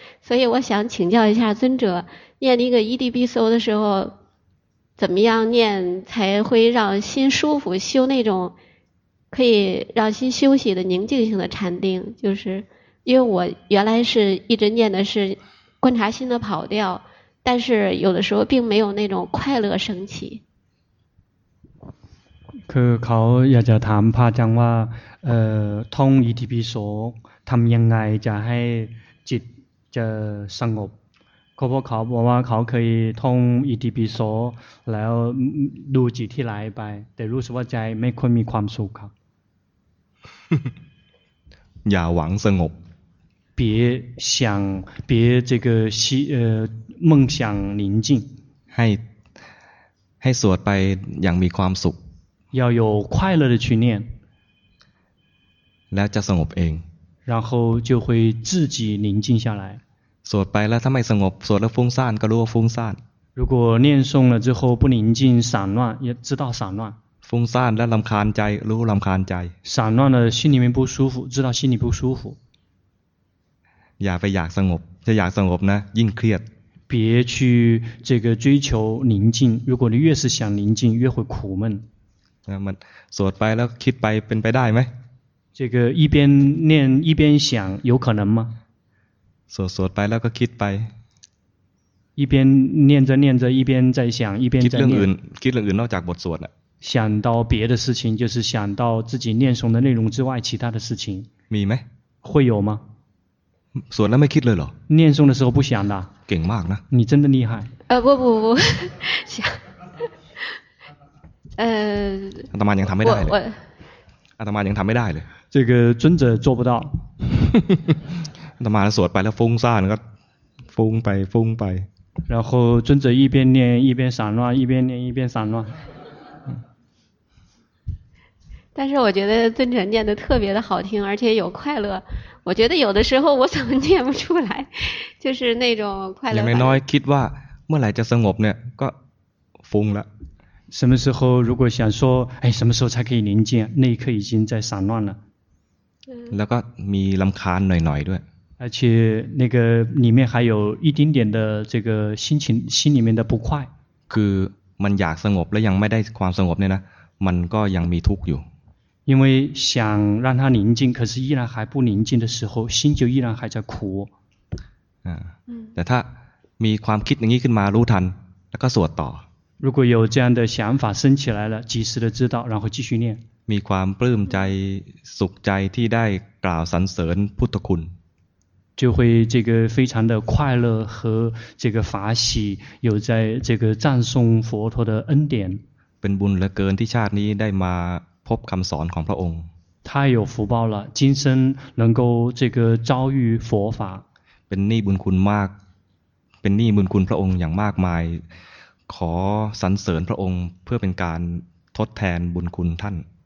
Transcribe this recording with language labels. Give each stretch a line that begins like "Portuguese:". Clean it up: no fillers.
Chinese: 所以我想请教一下尊者，念那个一地比斯的时候怎么样念才会让心舒服，修那种可以让心休息的宁静性的禅定。就是因为我原来是一直念的是观察心的跑掉，但是有的时候并没有那种快乐升起。
Thai: คือเขาอยากจะถามพระอาจารย์ว่าท่องอิติปิโสทำยังไงจะให้จิตจะสงบเขาบอกเขาบอกว่าเขาเคยท่องอิติปิโสแล้วดูจิตที่ไหลไปแต่รู้สึกว่าใจไม่ค่อยมีความสุขครับ อย่าหวังสงบ
Chinese: 别想别这个希梦想宁静
Thai: ให้สวดไปอย่างมีความสุข
Chinese: 要有快乐的去念
Thai: แล้วจะสงบเอง
Chinese: 然后就会自己宁静下来
Thai: สวดไปแล้วถ้าไม่สงบสวดแล้วฟุ้งซ่านก็รู้ว่าฟุ้งซ่าน
Chinese: 如果念诵了之后不宁静散乱也知道散乱
Thai: ฟุ้งซ่านและรำคาญใจรู้รำคาญใจ
Chinese: 散乱了心里面不舒服知道心里不舒服
Thai: อย่าไปอยากสงบจะอยากสงบนะยิ่งเครียด
Chinese: 别去这个追求宁静如果你越是想宁静越会苦闷
Thai: มันสวดไปแล้วคิดไปเป็นไปได้ไหม
Chinese: 这个一边念一边想有可能吗
Thai: สวดไปแล้วก็คิดไป
Chinese: 一边念着念着一边在想一边在
Thai: 念คิดเรื่องอื่นนอกจากบทสวดอะ
Chinese: 想到别的事情就是想到自己念诵的内容之外其他的事情
Thai: มีไหม
Chinese: 会有吗
Thai: สวดแล้วไม่คิดเลยเหรอ
Chinese: 念诵的时候不想的
Thai: เก่งมากนะ
Chinese: 你真的厉害不想
Thai: อาตมายังทำไม่ได้เลยอาตมายังทำไม่ได้เลย
Chinese: 这个尊者做不到
Thai: อาตมาสวดไปแล้วฟุ้งซ่านก็ฟุ้งไปฟุ้งไป
Chinese: 然后尊者一边念一边散乱一边念一边散乱但是我觉得尊者念得特别的好听而且有快乐我觉得有的时候我怎么念不出来就是那种快乐你没
Thai: น้อยคิดว่าเมื่อไหร่จะสงบเนี่ยก็ฟุ้งละ
Chinese: 什么时候如果想说哎什么时候才可以宁静那一刻已经在散乱了
Thai: แล้วก็มีรำคาญหน่อยๆด้วย
Chinese: 而且那个里面还有一丁点的这个心情心里面的不快
Thai: คือมันอยากสงบแล้วยังไม่ได้ความสงบเนี่ยนะมันก็ยังมีทุกข์อยู่
Chinese: 因为想让它宁静可是依然还不宁静的时候心就依然还在苦
Thai: แต่ถ้ามีความคิดอย่างนี้ขึ้นมารู้ทันแล้วก็สวดต่อ
Chinese: 如果有这样的想法升起来了及时的知道然后继续念
Thai: มีความปลื้มใจสุขใจที่ได้กล่าวสรรเสริญพุทธคุณ
Chinese: 就会这个非常的快乐和这个法喜有在这个赞颂佛陀的恩典
Thai: เป็นบุญเหลือเกินที่ชาตินี้ได้มาพบคำสอนของพระองค์
Chinese: 太有福报了今生能够这个遭遇佛法
Thai: เป็นหนี้บุญคุณมากเป็นหนี้บุญคุณพระองค์อย่างมากมายขอสรรเสริญพระองค์เพื่อเป็นการทดแทนบุญคุณท่าน